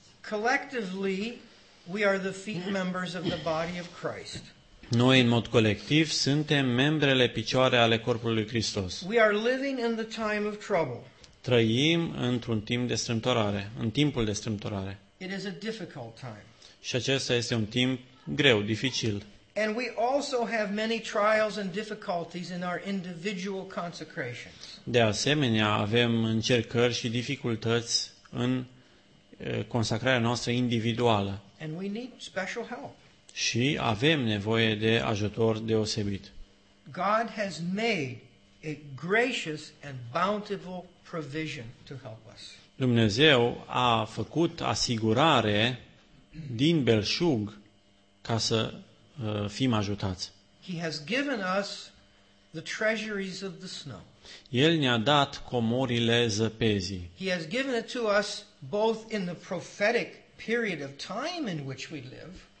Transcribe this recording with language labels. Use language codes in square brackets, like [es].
[en] Collectively, we are the feet members of the body of Christ. [ro] Noi în mod colectiv suntem membrele picioare ale corpului Hristos. [en] We are living in the time of trouble. [ro] Trăim într-un timp de strâmtorare, în timpul de strâmtorare. [en] It is a difficult time. [ro] Și acesta este un timp greu, dificil. [en] And we also have many trials and difficulties in our individual consecrations. [ro] De asemenea, avem încercări și dificultăți în consacrarea noastră individuală. [en] And we need special help. [ro] Și avem nevoie de ajutor deosebit. [en] God has made a gracious and bountiful provision to help us. [ro] Dumnezeu a făcut asigurare din belșug ca să fim ajutați. [en] He has given us the treasuries of the snow. [ro] El ne-a dat comorile zăpezii. [en] He has given it to us both in the prophetic period of time in which we live.